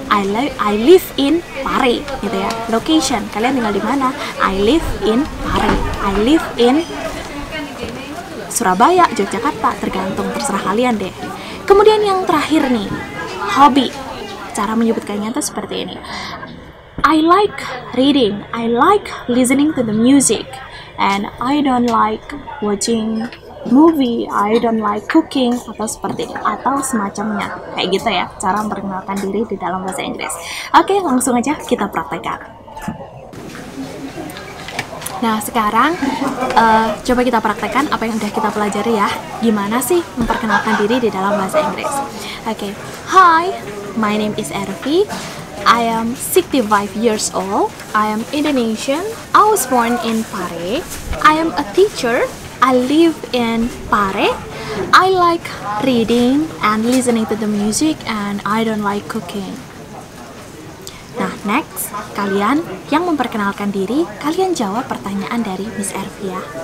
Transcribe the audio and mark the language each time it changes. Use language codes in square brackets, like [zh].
[en] I live in Pare, [id] gitu ya. Location, kalian tinggal di mana? [en] I live in Pare. I live in Surabaya, Yogyakarta, [id] tergantung, terserah kalian deh. Kemudian yang terakhir nih, hobi. Cara menyebutkannya itu seperti ini. [en] I like reading, I like listening to the music, and I don't like watching movie, I don't like cooking, [id] atau seperti itu, atau semacamnya. Kayak gitu ya, cara memperkenalkan diri di dalam bahasa Inggris. Oke, langsung aja kita praktekkan. Nah, sekarang coba kita praktekkan apa yang udah kita pelajari ya. Gimana sih memperkenalkan diri di dalam bahasa Inggris? [en] Oke, hi, my name is Ervi. I am 65 years old. I am Indonesian. I was born in Pare. I am a teacher. I live in Pare. I like reading and listening to the music, and I don't like cooking. [id] Nah, next, kalian yang memperkenalkan diri, kalian jawab pertanyaan dari Miss Ervi ya.